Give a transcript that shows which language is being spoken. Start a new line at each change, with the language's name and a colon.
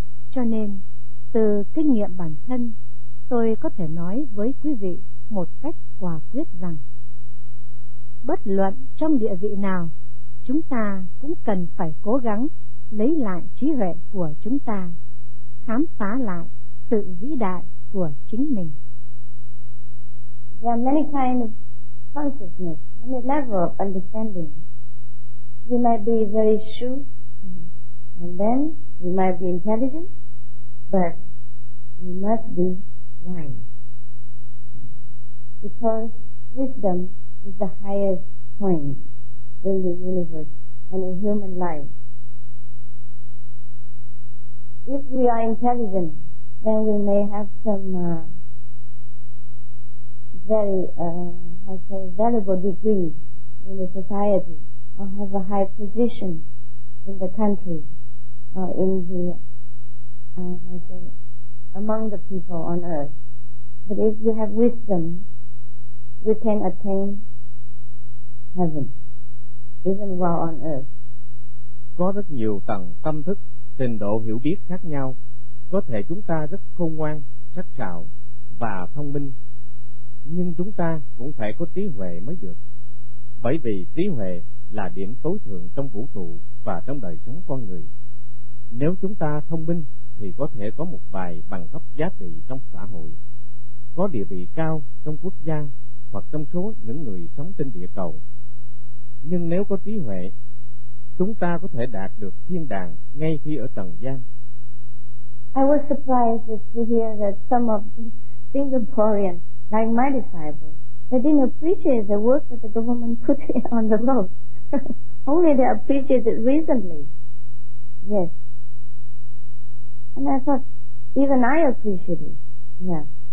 Vietnamese: Cho nên từ kinh nghiệm bản thân, tôi có thể nói với quý vị một cách quả quyết rằng bất luận trong địa vị nào, chúng ta cũng cần phải cố gắng lấy lại trí huệ của chúng ta, khám phá lại sự vĩ đại của chính mình.
English: There are many kinds of consciousness, many level of understanding. You might be very shrewd, and then you might be intelligent, but you must be wise, because wisdom is the highest point in the universe and in human life. If we are intelligent, then we may have some valuable degree in the society, or have a high position in the country, or in the among the people on earth. But if you have wisdom, you can attain heaven, even while on earth.
Vietnamese: Có rất nhiều tầng tâm thức, trình độ hiểu biết khác nhau. Có thể chúng ta rất khôn ngoan, sắc sảo và thông minh, nhưng chúng ta cũng phải có trí huệ mới được, bởi vì trí huệ là điểm tối thượng trong vũ trụ và trong đời sống con người. Nếu chúng ta thông minh thì có thể có một vài bằng cấp giá trị trong xã hội, có địa vị cao trong quốc gia hoặc trong số những người sống trên địa cầu. Nhưng nếu có trí huệ, chúng ta có thể đạt được thiên đàng ngay khi ở trần gian.
English: I was surprised to hear that some of the Singaporeans, like my disciples, they didn't appreciate the work that the government put on the road. Only they appreciated it recently. Yes. And I thought, even I appreciate it. Yeah.